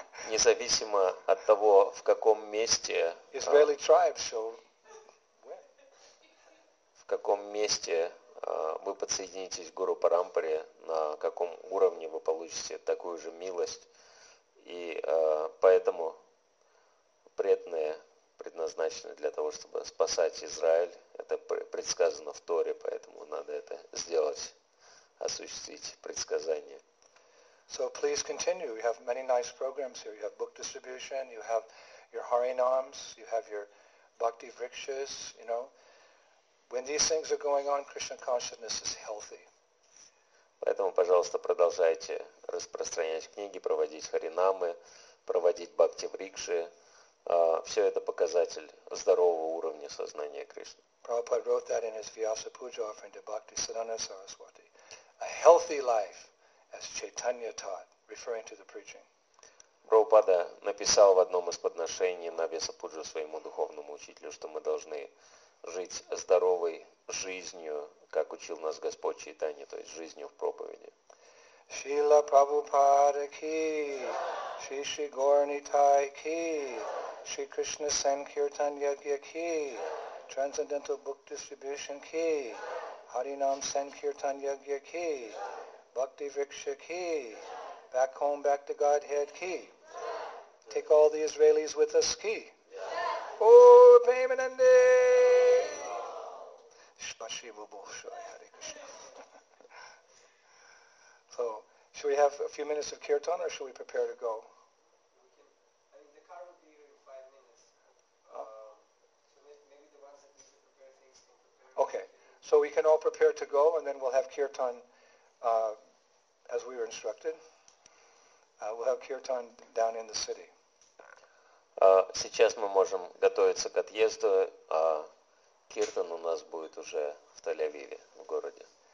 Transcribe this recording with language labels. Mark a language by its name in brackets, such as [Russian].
[Russian] Независимо от того, в каком месте... [English] Israeli tribes shall win. [Russian] В каком месте вы подсоединитесь к Гуру Парампаре, на каком уровне вы получите такую же милость. И поэтому преданные предназначены для того, чтобы спасать Израиль. Это предсказано в Торе, поэтому надо это сделать, осуществить предсказание. [English] So please continue. You have many nice programs here. You have book distribution, you have your Harinams, you have your Bhakti Vrikshas, you know. When these things are going on, Krishna consciousness is healthy. [Russian] Поэтому, пожалуйста, продолжайте распространять книги, проводить харинамы, проводить бхакти-врикши. Все это показатель здорового уровня сознания Кришны. [English] Prabhupada wrote that in his Vyasa Puja offering to Bhakti Siddhanta Saraswati. A healthy life, as Chaitanya taught, referring to the preaching. [Russian] Prabhupada написал в одном из подношений на Вьяса Пуджу своему духовному учителю, что мы должны жить здоровой жизнью, как учил нас Господь Чайтанья, то есть жизнью в проповеди. Шрила Прабхупада ки, Шри Шри Горнитай ки, Шри Кришна Санкиртан Ягья ки, [English] Transcendental Book Distribution [Russian] ки, Харинам Санкиртан Ягья ки, Бхакти Врикша ки, [English] Back Home, Back to Godhead [Russian] ки, [English] Take all the Israelis with us [Russian] ки. О, Пейманандэ! Спасибо большое, Hare Krishna. [English] So, should we have a few minutes of kirtan, or should we prepare to go? I think the car will be here in 5 minutes. So maybe the ones that need to prepare things can prepare. Okay, so we can all prepare to go, and then we'll have kirtan as we were instructed. We'll have kirtan down in the city. [Russian] Сейчас мы можем готовиться к отъезду. Киртан у нас будет уже в Тель-Авиве, в городе.